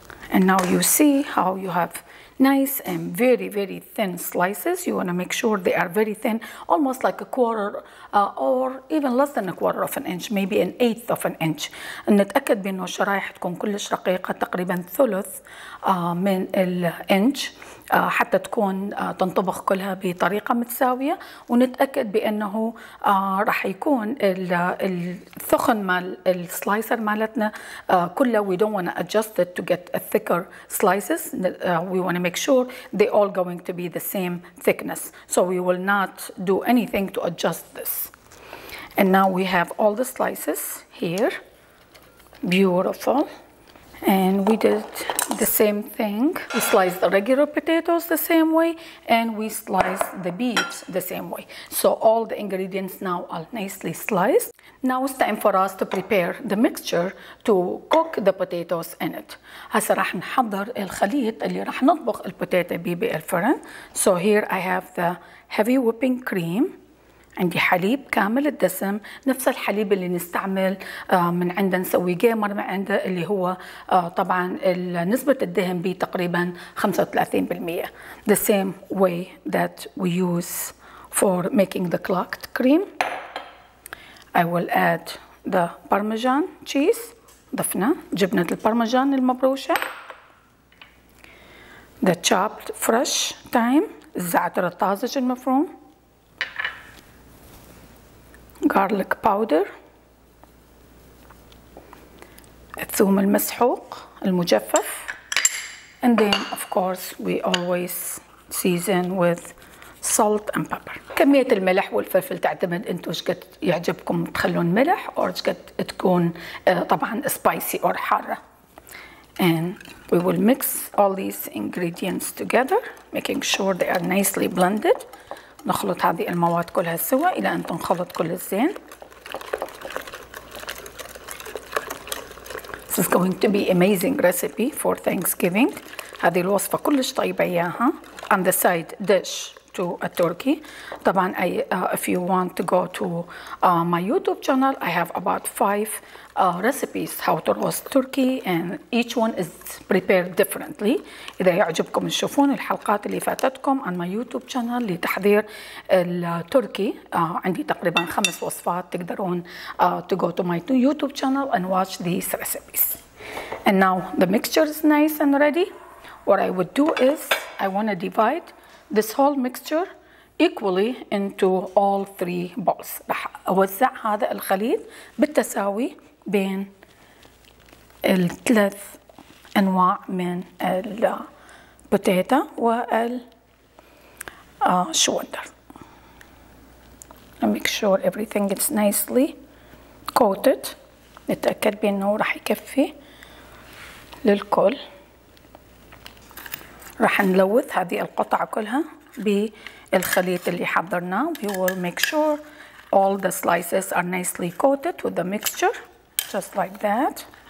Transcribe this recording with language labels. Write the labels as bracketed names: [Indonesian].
[English] And now you see how you have nice and very, very thin slices. You want to make sure they are very thin, almost like a quarter or even less than a quarter of an inch, maybe an eighth of an inch. [Arabic] نتأكد بأنه الشرائح تكون كلش رقيقة تقريبا ثلث من الانش حتى تكون تنطبخ كلها بطريقة متساوية ونتأكد بأنه رح يكون الثخن مال السلايسر مالتنا كلها. [English] We don't want to adjust it to get a thicker slices. We want to make sure they all going to be the same thickness. So we will not do anything to adjust this. And now we have all the slices here. Beautiful. And we did the same thing. We sliced the regular potatoes the same way and we sliced the beets the same way. So all the ingredients now are nicely sliced. Now it's time for us to prepare the mixture to cook the potatoes in it. [Arabic] هسه راح نحضر الخليط اللي راح نطبخ البوتيتا بيه بالفرن. [English] So here I have the heavy whipping cream. [Arabic] عندي حليب كامل الدسم نفس الحليب اللي نستعمل من عنده نسوي جيمر من عنده اللي هو طبعا نسبة الدهن بيه تقريبا 35%. [English] The same way that we use for making the clocked cream. I will add the parmesan cheese, [Arabic] ضفنا جبنة البارميجان المبروشة, [English] the chopped fresh thyme, [Arabic] الزعتر الطازج المفروم, [English] garlic powder، [Arabic] الثوم المسحوق المجفف، [English] and then of course we always season with salt and pepper. [Arabic] كمية الملح والفلفل تعتمد انتو ايش قد يعجبكم تخلون ملح او ايش قد تكون طبعا spicy او حارة. [English] And we will mix all these ingredients together, making sure they are nicely blended. [Arabic] نخلط هذه المواد كلها سوا الى ان تنخلط كل الزين. [English] This is going to be amazing recipe for Thanksgiving. [Arabic] هذه الوصفة كلش طيبة اياها. [English] On the side dish to a turkey. [Arabic] طبعا [English] if you want to go to my YouTube channel, I have about 5 recipes how to roast turkey and each one is prepared differently. [Arabic] إذا يعجبكم تشوفون الحلقات اللي فاتتكم [English] on my YouTube channel [Arabic] لتحضير التركي، عندي تقريبا 5 وصفات تقدرون [English] to go to my YouTube channel and watch these recipes. And now the mixture is nice and ready. What I would do is I want to divide this whole mixture equally into all 3 balls. [Arabic] راح أوزع هذا الخليط بالتساوي بين الثلاث أنواع من البوتيتا والشوندر. [English] Make sure everything is nicely coated. [Arabic] نتأكد بأنه راح يكفي للكل. راح نلوث هذه القطع كلها بالخليط اللي حضرناه. [English] We will make sure all the slices are nicely coated with the mixture, just like that.